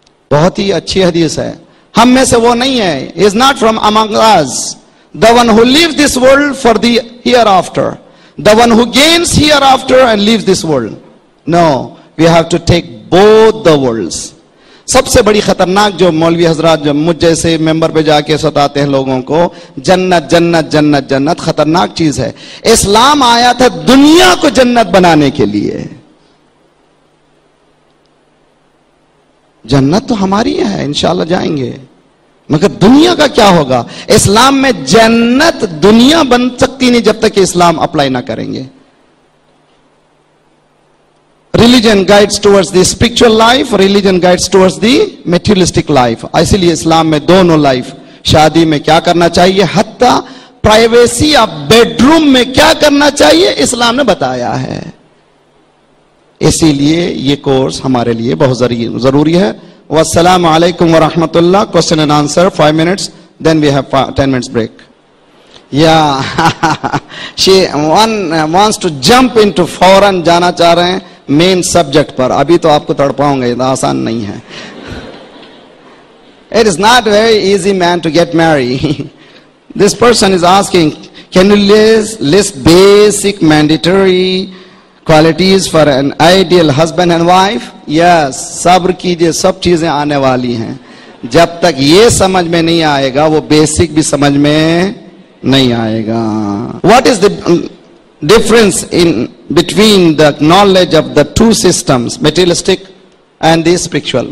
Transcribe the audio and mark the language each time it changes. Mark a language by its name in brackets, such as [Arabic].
[Urdu] بہت ہی اچھی حدیث ہے. [English] ہم میں سے وہ نہیں ہے, is not from among us, the one who leaves this world for the hereafter, the one who gains hereafter and leaves this world. No, we have to take both the worlds. [Urdu] سب سے بڑی خطرناک جو مولوی حضرات جو مجھ جیسے ممبر پہ جا کے ستاتے ہیں لوگوں کو, جنت جنت جنت جنت خطرناک چیز ہے. اسلام آیا تھا دنیا کو جنت بنانے کے لیے. جنت تو ہماری ہے, انشاءاللہ جائیں گے, مگر دنیا کا کیا ہوگا؟ اسلام میں جنت دنیا بن سکتی نہیں جب تک اسلام اپلائی نہ کریں گے. [English] Religion guides towards the spiritual life, religion guides towards the materialistic life. [Urdu] اسی لیے اسلام میں دونوں لائف. شادی میں کیا کرنا چاہیے, حتی پرائیویسی آپ بیڈروم میں کیا کرنا چاہیے اسلام نے بتایا ہے. اسی لیے یہ کورس ہمارے لیے بہت ضروری ہے. والسلام علیکم ورحمت اللہ. [English] Question and answer 5 minutes, then we have 10 minutes break. Yeah, she wants to jump into foreign, جانا چاہ رہے ہیں main subject پر. [Urdu] ابھی تو آپ کو تڑپاؤں گے, آسان نہیں ہے. [English] It is not very easy man to get married. This person is asking, can you list basic mandatory qualities for an ideal husband and wife? [Urdu] Yes, صبر کیجئے, سب چیزیں آنے والی ہیں. جب تک یہ سمجھ میں نہیں آئے گا وہ بیسک بھی سمجھ میں نہیں آئے گا. [English] What is the difference in between the knowledge of the two systems, materialistic and the spiritual?